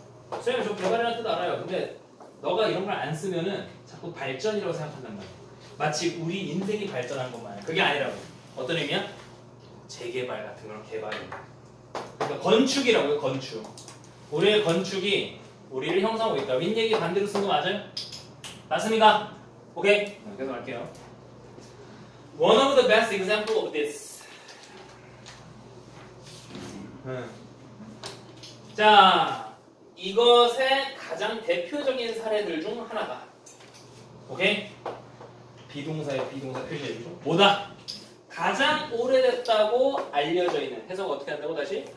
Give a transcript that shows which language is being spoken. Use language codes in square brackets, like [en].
[ko] 선생님 저 개발이라는 뜻 알아요. 근데 너가 이런 걸 안 쓰면은 자꾸 발전이라고 생각한단 말이야. 마치 우리 인생이 발전한 것만 그게 아니라고. 어떤 의미야? 재개발 같은 걸 개발이. 그러니까 건축이라고요. 건축. 우리의 건축이 우리를 형성하고 있다. 윈 얘기 반대로 쓴 거 맞아요? 맞습니다. 오케이. 계속할게요. [en] One of the best example of this. [ko] 자, 이것의 가장 대표적인 사례들 중 하나가 오케이? 비동사의 비동사 표시해주죠. 뭐다? 가장 오래됐다고 알려져 있는 해석 어떻게 한다고 다시?